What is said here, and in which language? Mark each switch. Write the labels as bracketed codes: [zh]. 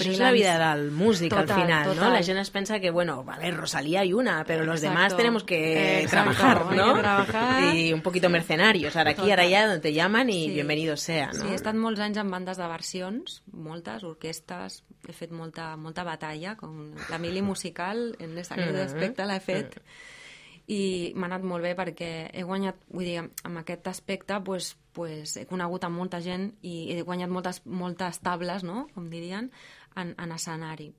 [ca] això és la vida del músic, total, al final, total. No? La gent es pensa que, [es] bueno, vale, Rosalía hay una, pero los demás tenemos que trabajar, ¿no? Que trabajar. Y un poquito mercenarios, [ca] ara aquí, ara allà, on [es] te llaman y sí. Bienvenido sea, ¿no? [ca] Sí, he estat molts anys en bandes de versions, moltes, orquestes, he fet molta, molta batalla, com la mili musical, en aquest aspecte l'he fet. I m'ha anat molt bé perquè he guanyat, vull dir, amb aquest aspecte, pues he conegut a molta gent i he guanyat moltes tables, no?, com dirien, en escenari.